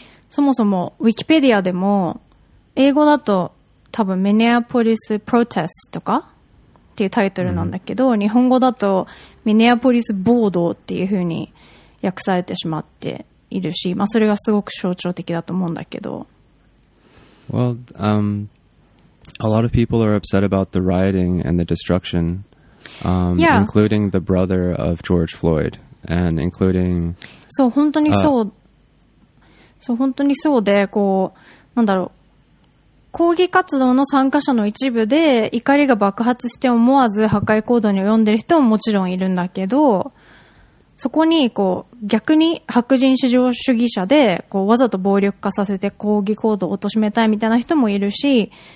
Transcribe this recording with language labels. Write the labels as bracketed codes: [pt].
[ja] そもそもウィキペディアでも英語だと多分メネアポリスプロテストとかっていうタイトルなんだけど、日本語だとメネアポリス暴動っていう風に訳されてしまっているし、まあそれがすごく象徴的だと思うんだけど。 [en] Well, a lot of people are upset about the rioting and the destruction, yeah. including the brother of George Floyd. And including, [ja] そう本当にそう、そう本当にそうで、こうなんだろう、抗議活動の参加者の一部で怒りが爆発して思わず破壊行動に及んでる人ももちろんいるんだけど、そこにこう逆に白人至上主義者でこうわざと暴力化させて抗議行動を貶めたいみたいな人もいるし、